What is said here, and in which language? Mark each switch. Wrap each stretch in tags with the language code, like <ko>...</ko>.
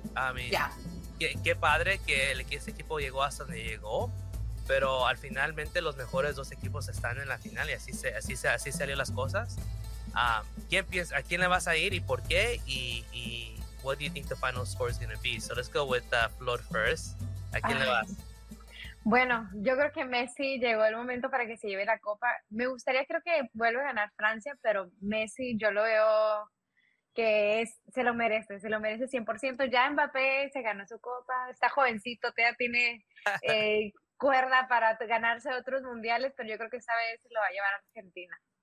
<en>I mean,</en> <es>qué padre que ese equipo llegó hasta donde llegó. Pero al finalmente, los mejores dos equipos están en la final. Y así salió las cosas. ¿Quién piensa, a quién le vas a ir y por qué?</es> <en>Y what do you think the final score is going to be? So let's go with Flor first.</en> <es>¿A quién le vas? Bueno, yo creo que Messi llegó el momento para que se lleve la copa. Me gustaría, creo que vuelva a ganar Francia, pero Messi yo lo veo que se lo merece 100%. Ya Mbappé se ganó su copa, está jovencito, todavía tiene cuerda para ganarse otros mundiales, pero yo creo que esta vez lo va a llevar a Argentina.</es>